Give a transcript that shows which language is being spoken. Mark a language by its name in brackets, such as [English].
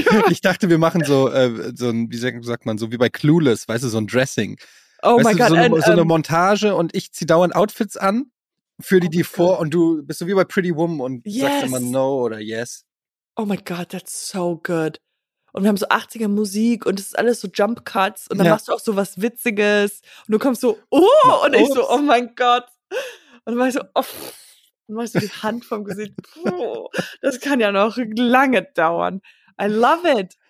[German] Ich dachte, wir machen so wie bei Clueless, weißt du, so ein Dressing. Oh mein Gott. So eine Montage und ich ziehe dauernd Outfits an, führe die vor und du bist so wie bei Pretty Woman und sagst immer no oder yes. Oh mein Gott, [English] that's so good. [German] Und wir haben so 80er Musik und es ist alles so Jump Cuts und dann machst du auch so was Witziges und du kommst so, oh, und ich so, oh mein Gott. Und dann machst du die Hand vom Gesicht, das kann ja noch lange dauern. [English] I love it.